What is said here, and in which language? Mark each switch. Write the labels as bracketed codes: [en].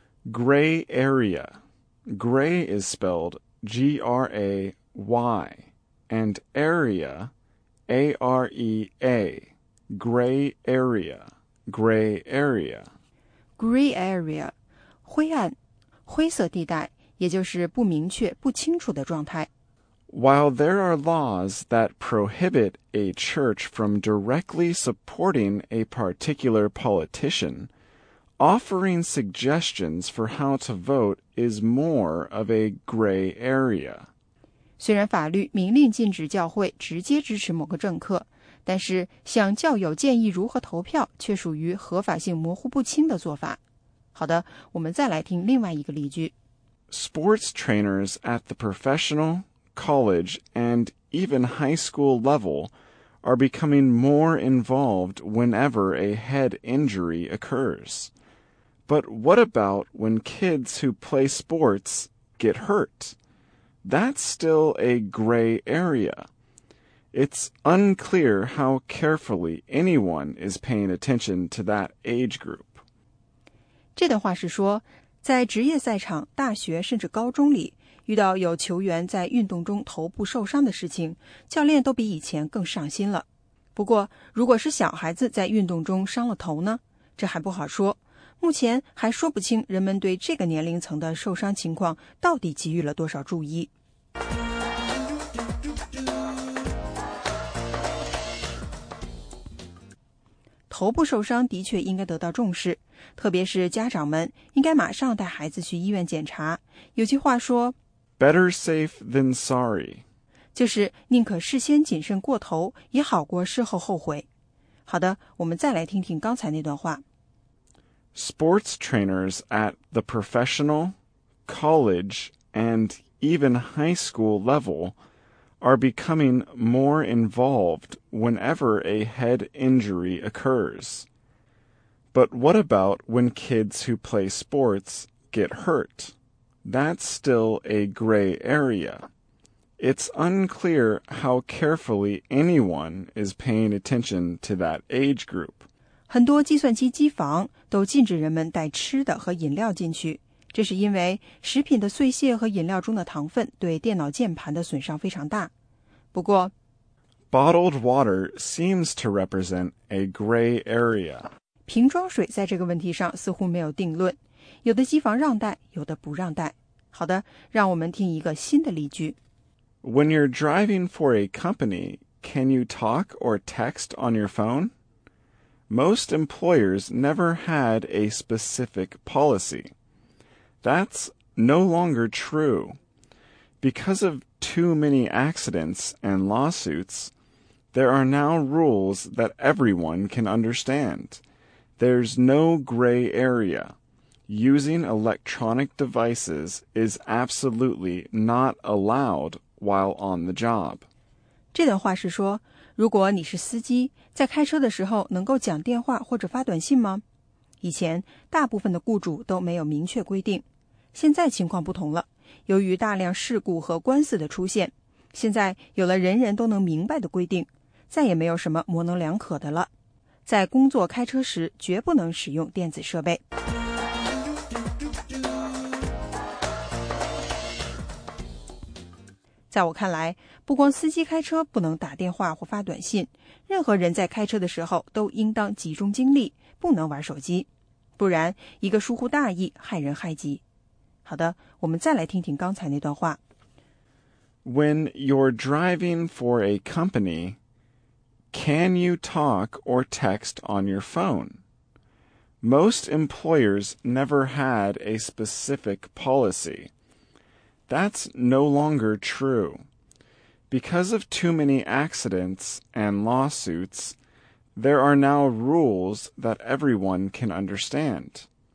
[en] gray area. Gray is spelled G-R-A-Y and area A-R-E-A. Gray area. Gray area. Gray area. [zh] 灰暗，灰色地带，也就是不明确、不清楚的状态。 [en] While there are laws that prohibit a church from directly supporting a particular politician, offering suggestions for how to vote is more of a gray area. [zh] 虽然法律明令禁止教会直接支持某个政客，但是向教友建议如何投票却属于合法性模糊不清的做法。好的，我们再来听另外一个例句。 [en] Sports trainers at the professional, college, and even high school level are becoming more involved whenever a head injury occurs. But what about when kids who play sports get hurt? That's still a gray area. It's unclear how carefully anyone is paying attention to that age group. [zh] 这段话是说，在职业赛场、大学甚至高中里，遇到有球员在运动中头部受伤的事情，教练都比以前更上心了。不过，如果是小孩子在运动中伤了头呢？这还不好说。目前还说不清人们对这个年龄层的受伤情况到底给予了多少注意。头部受伤的确应该得到重视，特别是家长们应该马上带孩子去医院检查。有句话说 [en] Better safe than sorry， [zh] 就是宁可事先谨慎过头，也好过事后后悔。好的，我们再来听听刚才那段话。 [en] Sports trainers at the professional, college, and even high school level are becoming more involved whenever a head injury occurs. But what about when kids who play sports get hurt? That's still a gray area. It's unclear how carefully anyone is paying attention to that age group. [zh] 很多计算机机房都禁止人们带吃的和饮料进去，这是因为食品的碎屑和饮料中的糖分对电脑键盘的损伤非常大。不过 [en] Bottled water seems to represent a gray area. [zh] 瓶装水在这个问题上似乎没有定论，有的机房让带，有的不让带。好的，让我们听一个新的例句。 [en] When you're driving for a company, can you talk or text on your phone? Most employers never had a specific policy. That's no longer true. Because of too many accidents and lawsuits, there are now rules that everyone can understand. There's no gray area. Using electronic devices is absolutely not allowed while on the job. [zh] 这段话是说如果你是司机，在开车的时候能够讲电话或者发短信吗？以前，大部分的雇主都没有明确规定。现在情况不同了，由于大量事故和官司的出现，现在有了人人都能明白的规定，再也没有什么模棱两可的了。在工作开车时，绝不能使用电子设备。在我看来，不光司机开车不能打电话或发短信，任何人在开车的时候都应当集中精力，不能玩手机，不然一个疏忽大意，害人害己。好的，我们再来听听刚才那段话。 [en] When you're driving for a company, can you talk or text on your phone? Most employers never had a specific policy. That's no longer true. Because of too many accidents and lawsuits, there are now rules that everyone can understand.